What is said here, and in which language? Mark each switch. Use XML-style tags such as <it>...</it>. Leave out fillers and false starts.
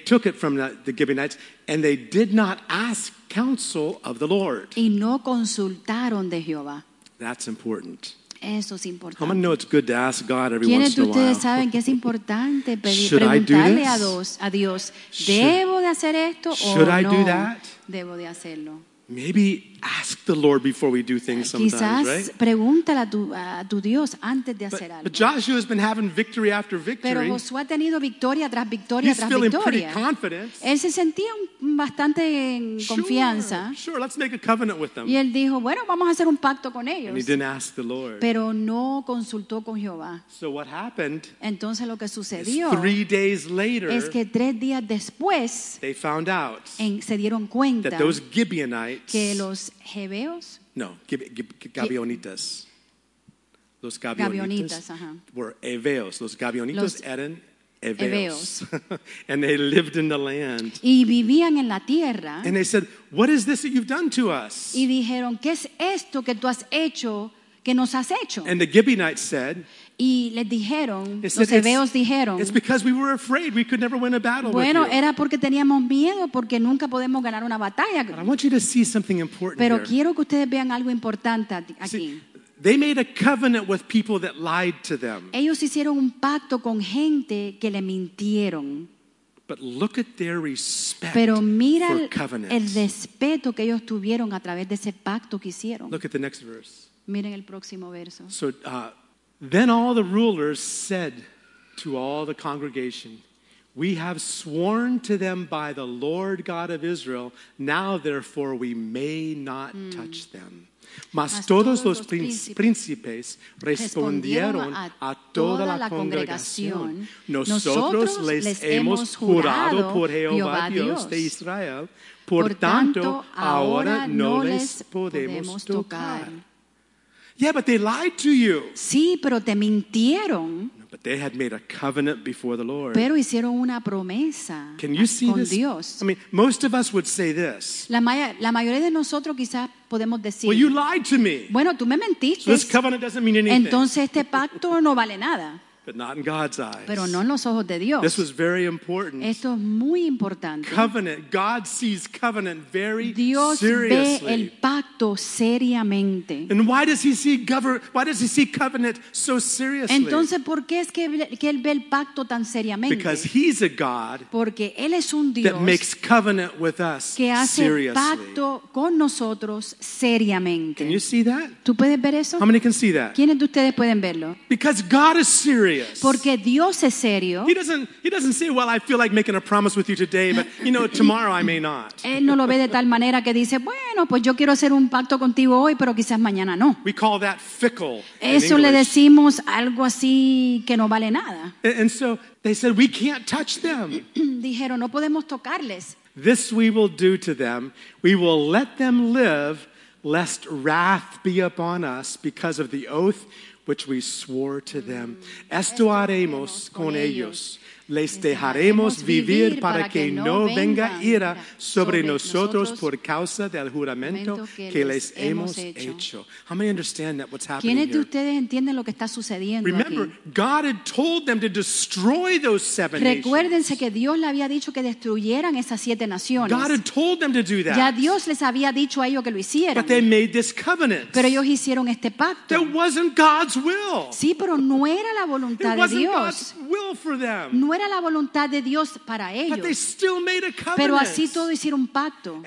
<en>took it from the Gibeonites and they did not ask counsel of the Lord.</en> <es>Y no consultaron de Jehová.</es> <en>That's important.</en> <es>Eso es importante.</es> <en>How many know it's good to ask God every</en> <es>¿quiénes</es> <en>once in a while?</en> <es>¿Quiénes ustedes saben que es importante preguntarle a Dios, debo de hacer esto</es> <en>should</en> <es>o</es> <en>I</en> <es>no</es> <en>do that?</en> <es>Debo de hacerlo?</es> <en>Maybe ask the Lord before we do things sometimes,</en> <es>quizás</es> <en>right?</en> <es>Pregúntale a tu Dios antes de hacer algo.</es> <en>But Joshua has been having victory after victory.</en> <es>Pero Josué ha tenido victoria tras victoria</es> <en>he's</en> <es>tras</es> <en>feeling</en> <es>victoria.</es> <en>Pretty confident.</en> <es>Él se sentía bastante en</es> <en>sure,</en> <es>confianza.</es> <en>Sure, let's make a covenant with them.</en> <es>Y él dijo, bueno, vamos a hacer un pacto con ellos.</es> <en>And he didn't ask the Lord.</en> <es>Pero no consultó con Jehová.</es> <en>So what happened?</en> <es>Entonces lo que sucedió.</es> <en>3 days later.</en> <es>Es que 3 días después.</es> <en>They found out.</en> <es>Se dieron cuenta.</es> <en>That those Gibeonites.</en> <es>Que los Gibeonitas. No, Gibeonitas. Los Gibeonitas were Eveos. Los Gibeonitas eran Eveos.</es> <en>And they lived in the land.</en> <es>Y vivían en la tierra.</es> <en>And they said, what is this that you've done to us?</en> <es>Y dijeron, ¿qué es esto que tú has hecho, que nos has hecho?</es> <en>And the Gibeonites said,</en> <es>y les dijeron, los Eveos dijeron,</es> <en>it's because we were afraid we could never win a battle</en> <es>bueno,</es> <en>with you.</en> <es>Era porque teníamos miedo porque nunca podemos ganar una batalla.</es> <en>But I want you to see something important</en> <es>pero</es> <en>here.</en> <es>Quiero que ustedes vean algo importante aquí.</es> <en>See, they made a covenant with people that lied to them.</en> <es>Ellos hicieron un pacto con gente que le mintieron.</es> <en>But look at their respect</en> <es>pero mira</es> <en>for covenants.</en> <es>El respeto que ellos tuvieron a través de ese pacto que hicieron.</es> <en>Look at the next verse.</en> <es>Miren el próximo verso.</es> <en>So, then all the rulers said to all the congregation, We have sworn to them by the Lord God of Israel, now therefore we may not touch them.</en> <es>Mas todos los príncipes respondieron a toda la congregación. Nosotros les hemos jurado por Jehová Dios de Israel, por tanto, ahora no les podemos tocar.</es> <en>Yeah, but they lied to you.</en> <es>Sí, pero te mintieron.</es> <en>But they had made a covenant before the Lord.</en> <es>Pero hicieron una promesa.</es> <en>Can you see</en> <es>con</es> <en>this?</en> <es>Dios.</es> <en>I mean, most of us would say this.</en> <es>La mayoría de nosotros quizás podemos decir.</es> <en>Well, you lied to me.</en> <es>Bueno, tú me mentiste.</es> <en>So this covenant doesn't mean anything.</en> <es>Entonces este pacto no vale nada.</es> <en>But not in God's eyes.</en> <es>Pero no en los ojos de Dios.</es> <en>This was very important.</en> <es>Esto es muy importante.</es> <en>Covenant. God sees covenant very</en> <es>Dios</es> <en>seriously.</en> <es>Ve el pacto seriamente.</es> <en>And why does he see why does he see covenant so seriously?</en> <es>Entonces, ¿por qué es que él ve el pacto tan seriamente?</es> <en>Because he's a God.</en> <es>Porque él es un Dios</es> <en>that makes covenant with us</en> <es>que hace</es> <en>seriously.</en> <es>Pacto con nosotros seriamente.</es> <en>Can you see that?</en> <es>¿Tú puedes ver eso?</es> <en>How many can see that?</en> <es>¿Quiénes de ustedes pueden verlo?</es> <en>Because God is serious.</en> <es>Porque Dios es serio.</es> <en>He doesn't say, well, I feel like making a promise with you today, but you know, tomorrow I may not.</en> <es>Él no lo ve de tal manera que dice, bueno, pues yo quiero hacer un pacto contigo hoy, pero quizás mañana no.</es> <en>We call that fickle.</en> <es>Eso le decimos algo así que no vale nada.</es> <en>And so they said, we can't touch them.</en> <es>Dijeron, no podemos tocarles.</es> <en>This we will do to them. We will let them live, lest wrath be upon us because of the oath which we swore to them.</en> <es>Esto haremos con ellos. Les dejaremos vivir para que no venga ira sobre nosotros por causa del juramento que les hemos hecho.</es> <en>How many understand that what's happening here?</en> <es>¿Quiénes de ustedes entienden lo que está sucediendo aquí?</es> <en>Remember, God had told them to destroy those seven nations.</en> <es>Recuérdense que Dios le había dicho que destruyeran esas siete naciones.</es> <en>God had told them to do that.</en> <es>Ya Dios les había dicho a ellos que lo hicieran.</es> <en>But they made this covenant.</en> <es>Pero ellos hicieron este pacto.</es> <en>That wasn't God's will.</en> <es>Sí, pero no era la voluntad de Dios.</es> <en>It wasn't God's will for them.</en> <es>No era la voluntad de Dios para ellos. Pero así todo hicieron un pacto.</es>